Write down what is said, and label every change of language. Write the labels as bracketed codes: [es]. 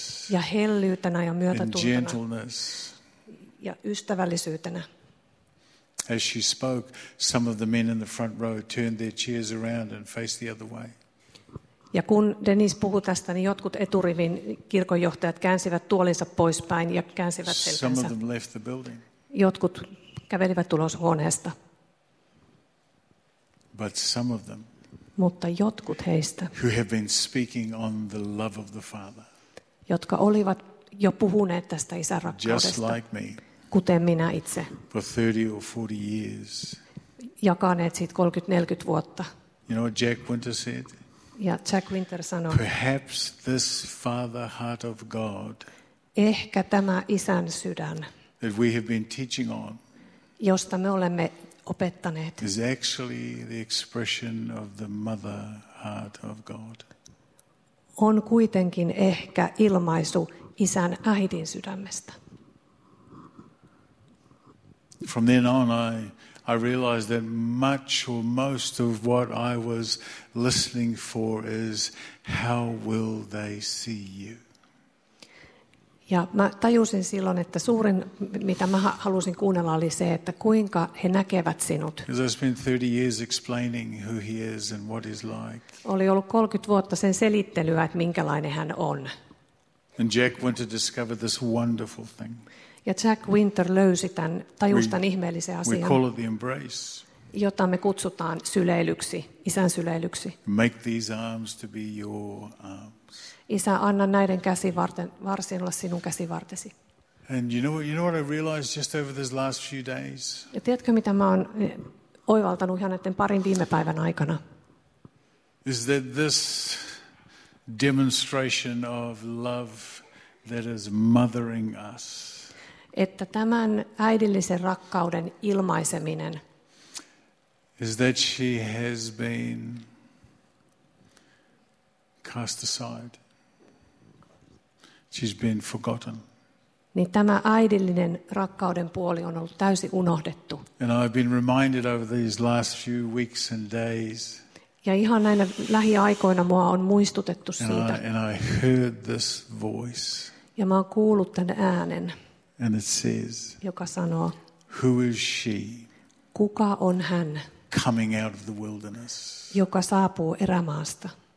[fi] Ja hellyytenä ja myötätuntona. Ja ystävällisyytenä. [en] As she spoke, some of the men in the front row turned their chairs around and faced the other way. [fi] Ja kun Denise puhui tästä, niin jotkut eturivin kirkonjohtajat käänsivät tuolinsa poispäin ja käänsivät selkänsä. Jotkut kävelivät ulos huoneesta. [en] But some of them, [fi] mutta jotkut heistä, [en] who have been speaking on the love of the Father, [fi] jotka olivat jo puhuneet tästä isän rakkaudesta, [en] just like me, [fi] kuten minä itse, [en] for 30 or 40 years, [fi] jakaneet siitä 30-40 vuotta. [en] You know what Jack Winter said? [fi] Ja Jack Winter sanoi, [en] perhaps this father heart of God, [fi] ehkä tämä isän sydän, [en] that we have been teaching on, [fi] josta me olemme opettaneet, [en] is actually the expression of the mother heart of God. [fi] On kuitenkin ehkä ilmaisu isän äidin sydämestä. [en] From then on, I realized that much or most of what I was listening for is how will they see you. [fi] Ja mä tajusin silloin, että suurin mitä mä halusin kuunnella oli se, että kuinka he näkevät sinut. [en] As I spent 30 years explaining who he is and what he's like. [fi] Oli ollut 30 vuotta sen selittelyä, että minkälainen hän on. [en] And Jack went to discover this wonderful thing. [fi] Ja Jack Winter löysi tämän, tajusi tämän ihmeellisen asian, [en] we call it the embrace, [fi] jota me kutsutaan syleilyksi, isän syleilyksi. [en] Make these arms to be your arms. [fi] Isä, anna näiden käsivarsien olla sinun käsivartesi. [en] And you know what I realized just over these last few days? [fi] Ja tiedätkö, mitä mä oon oivaltanut ihan näiden parin viime päivän aikana? [en] Is that this demonstration of love that is mothering us, [fi] että tämän äidillisen rakkauden ilmaiseminen, [en] is that she has been cast aside, she's been forgotten, [fi] niin tämä äidillinen rakkauden puoli on ollut täysin unohdettu. [en] And I've been reminded over these last few weeks and days, [fi] ja ihan näinä lähiaikoina mua on muistutettu siitä, [en] and I heard this voice, [fi] ja mä oon kuullut tämän äänen. [en] And it says, [fi] joka sanoo, [en] who is she? [fi] Kuka on hän? [en] Coming out of the wilderness. [fi] Joka saapuu erämaasta.